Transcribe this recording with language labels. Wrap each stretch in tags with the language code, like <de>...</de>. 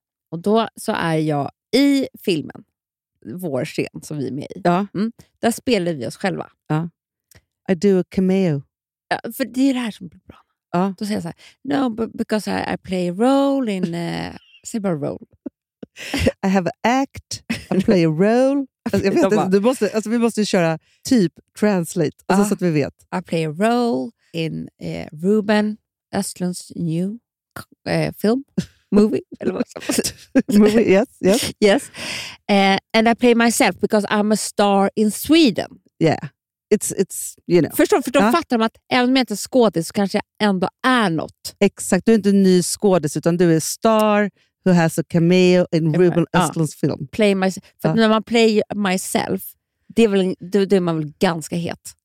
<sv>Och då så är jag i filmen. Vår scen som vi är med i. Där spelar vi oss själva.</sv> <en>I do a cameo.</en> <sv>För det är det här som blir bra. Då säger jag så här,</sv> <en>no, because I play a role in...</en> <sv>Säg bara role.</sv> <en>I have an act, I play a role.</en> <sv>Alltså, jag vet inte, vi måste ju köra typ translate, alltså, så att vi vet.</sv> <en>I play a role in Ruben Östlunds new film, movie.</en> <sv>Eller vad</sv> <en>movie, yes. And I play myself because I'm a star in Sweden. Yeah. It's, you know.</en> <sv>För då fattar de att även om jag inte är skådis så kanske jag ändå är något. Exakt, du är inte ny skådis utan du är</sv> <en>star who has a cameo in</en> <sv>Ruben Östlunds film.</sv> <en>Play myself.</en> <sv>För när man</sv> <en>play myself,</en> <sv>det är väl, då är man väl ganska het.</sv>